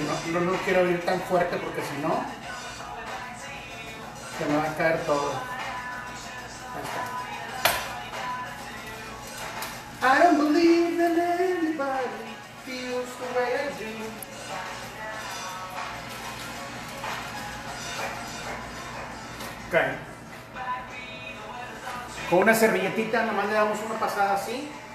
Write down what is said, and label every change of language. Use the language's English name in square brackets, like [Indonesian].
[Spanish] No quiero abrir tan fuerte porque si no, se me va a caer todo. Ahí está. [English] I don't believe in anybody feels the way I do. Ok. [Spanish] Con una servilletita nomás le damos una pasada así.